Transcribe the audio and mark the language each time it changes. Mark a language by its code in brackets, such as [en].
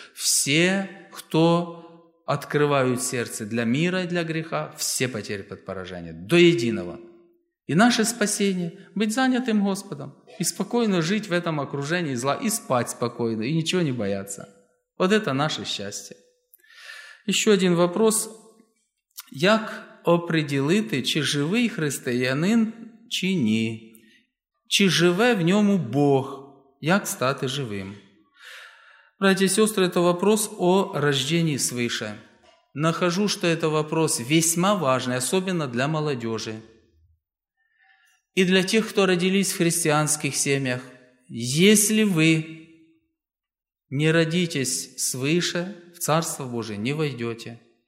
[ru] Все, кто открывают сердце для мира и для греха, все потерпят поражение. До единого. И наше спасение – быть занятым Господом и спокойно жить в этом окружении зла, и спать спокойно, и ничего не бояться. Вот это наше счастье. Еще один вопрос. [uk] Як определити, чи живий християнин, чи ні? Чи живе в ньому Бог? Як стати живим? [ru] Братья и сестры, это вопрос о рождении свыше. Нахожу, что это вопрос весьма важный, особенно для молодежи. И для тех, кто родились в христианских семьях, если вы не родитесь свыше, в Царство Божие не войдете.